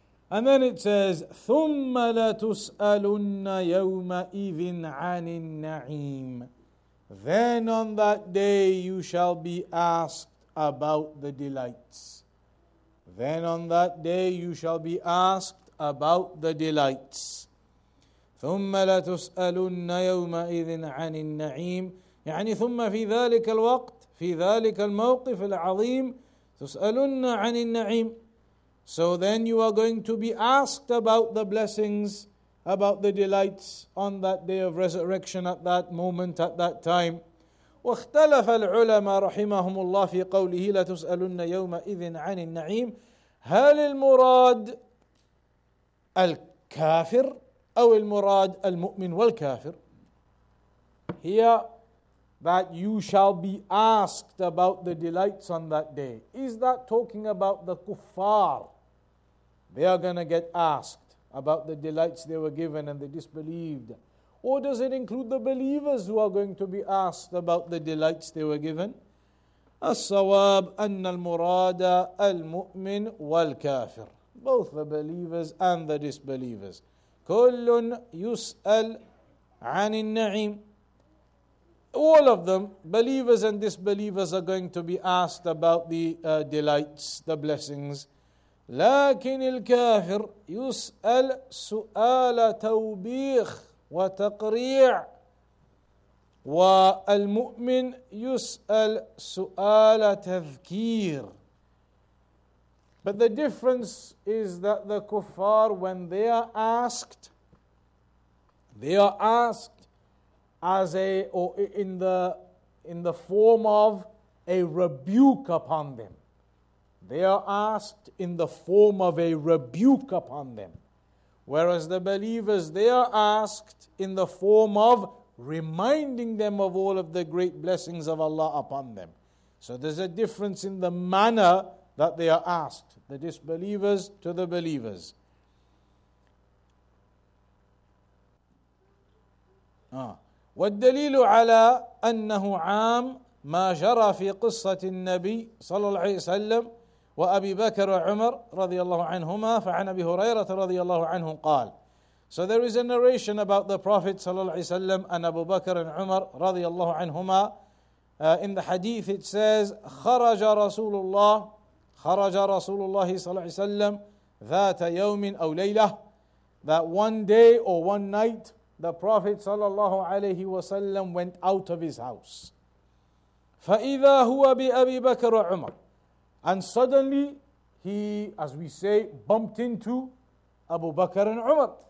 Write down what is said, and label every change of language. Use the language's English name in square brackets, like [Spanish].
[English] And then it says, [Arabic] ثُمَّ لَتُسْأَلُنَّ يَوْمَئِذٍ عَنِ النَّعِيمِ. [English] Then on that day you shall be asked about the delights. Then on that day you shall be asked about the delights. [Arabic] ثُمَّ لَتُسْأَلُنَّ يَوْمَئِذٍ عَنِ النَّعِيمِ. يعني ثم في ذلك الوقت في ذلك الموقف العظيم تُسْأَلُنَّ عَنِ النَّعِيمِ. [English] So then you are going to be asked about the blessings, about the delights on that day of resurrection, at that moment, at that time. [Arabic] وَاخْتَلَفَ الْعُلَمَ رَحِمَهُمُ اللَّهِ فِي قَوْلِهِ لَتُسْأَلُنَّ يَوْمَئِذٍ عَنِ النَّعِيمِ. هَلِ الْمُرَادِ الْكَافِرِ أو المراد المؤمن والكافر. [English] Here, that you shall be asked about the delights on that day. Is that talking about the kuffar? They are going to get asked about the delights they were given and they disbelieved. Or does it include the believers who are going to be asked about the delights they were given? [Arabic] الصواب أن المراد المؤمن والكافر. [English] Both the believers and the disbelievers. [Arabic] كل يسأل عن النعيم. [English] All of them, believers and disbelievers, are going to be asked about the delights, the blessings. [Arabic] لكن الكافر يسأل سؤال توبيخ وتقريع. والمؤمن يسأل سؤال تذكير. [English] But the difference is that the kuffar, when they are asked, they are asked as a, or in the form of a rebuke upon them. They are asked in the form of a rebuke upon them. Whereas the believers, they are asked in the form of reminding them of all of the great blessings of Allah upon them. So there's a difference in the manner that they are asked, the disbelievers to the believers. [Arabic] والدليل على أنه عام ما جرى في قصة النبي صلى الله عليه وسلم وأبي بكر وعمر رضي الله عنهما فعن أبي هريرة رضي الله عنهم قال. [English] So there is a narration about the Prophet صلى الله عليه وسلم and Abu Bakr and Umar رضي الله عنهما. In the hadith it says, [Arabic] خرج رسول الله صلى الله عليه وسلم ذات يوم أو ليلة. [English] That one day or one night the Prophet sallallahu alayhi wa sallam went out of his house. [Arabic] فَإِذَا هُوَ بِأَبِي بَكَرَ عُمَرَ. [English] And suddenly he, as we say, bumped into Abu Bakr and Umar.